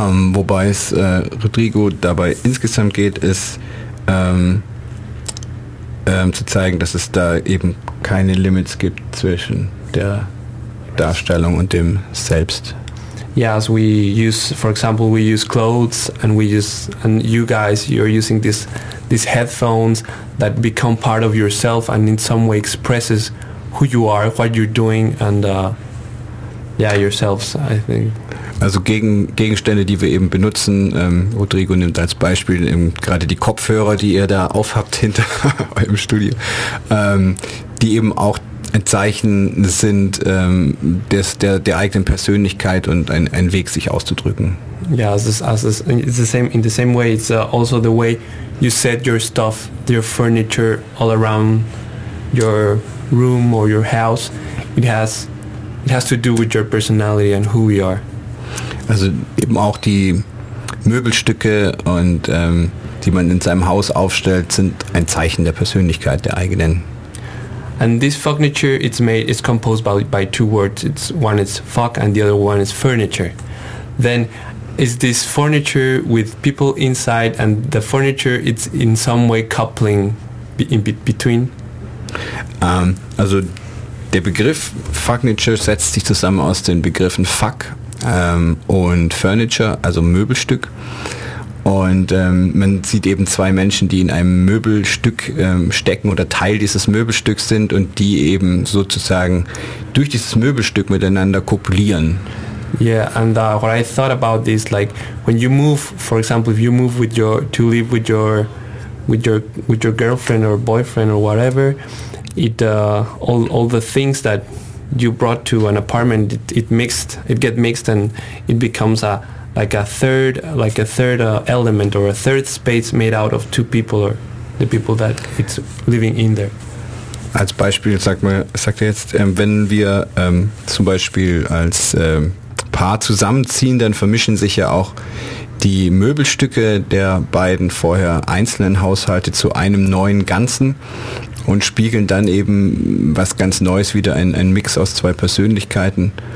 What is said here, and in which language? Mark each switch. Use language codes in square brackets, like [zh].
[de] Wobei es Rodrigo dabei insgesamt geht, ist zu zeigen, dass es da eben keine Limits gibt zwischen der Darstellung und dem Selbst. [en] Yes, we use, for example, we use clothes and we use, and you guys, you're using these headphones that become part of yourself and in some way expresses who you are, what you're doing and, yourselves, I think. [de] Also Gegenstände, die wir eben benutzen, Rodrigo nimmt als Beispiel eben gerade die Kopfhörer, die ihr da aufhabt hinter eurem Studio, die eben auch ein Zeichen sind der eigenen Persönlichkeit und ein Weg, sich auszudrücken. [en] Yeah, it's the same way. It's also the way you set your stuff, your furniture all around your room or your house. It has to do with your personality and who we are. [de] Also eben auch die Möbelstücke und die man in seinem Haus aufstellt, sind ein Zeichen der Persönlichkeit, der eigenen. [en] And this furniture, it's composed by two words. It's one is fuck and the other one is furniture. Then is this furniture with people inside and the furniture, it's in some way coupling between. [de] Also der Begriff Fugniture setzt sich zusammen aus den Begriffen fuck und furniture, also Möbelstück. Und man sieht eben zwei Menschen, die in einem Möbelstück stecken oder Teil dieses Möbelstücks sind und die eben sozusagen durch dieses Möbelstück miteinander kopulieren. [en] Yeah, and what I thought about this, like when you move, for example, if you move to live with your girlfriend or boyfriend or whatever, all the things that you brought to an apartment, it mixed, it get mixed and it becomes like a third element or a third space made out of two people or the people that it's living in there. [de] Als Beispiel sagt er jetzt, wenn wir zum Beispiel als Paar zusammenziehen, dann vermischen sich ja auch die Möbelstücke der beiden vorher einzelnen Haushalte zu einem neuen Ganzen und spiegeln dann eben was ganz Neues wieder, ein Mix aus zwei Persönlichkeiten.